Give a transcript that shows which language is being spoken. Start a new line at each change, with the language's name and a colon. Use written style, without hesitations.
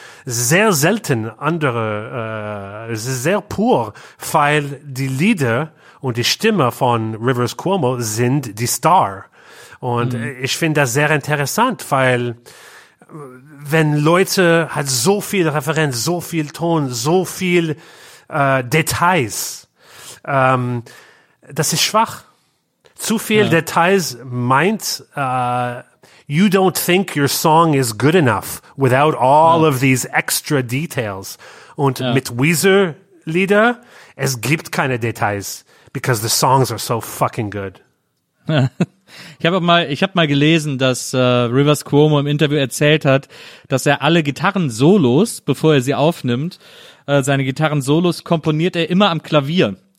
German: Sehr selten andere, es ist sehr pur, weil die Lieder und die Stimme von Rivers Cuomo sind die Star. Und ich finde das sehr interessant, weil wenn Leute hat so viel Referenz, so viel Ton, so viel Details, das ist schwach. Zu viel Details meint,
English: you don't think your song is good enough without all of these extra details.
German: Und mit Weezer-Lieder, es gibt keine Details,
English: because the songs are so fucking good.
German: Ich habe mal gelesen, dass Rivers Cuomo im Interview erzählt hat, dass er alle Gitarren-Solos, bevor er sie aufnimmt, seine Gitarren-Solos komponiert er immer am Klavier.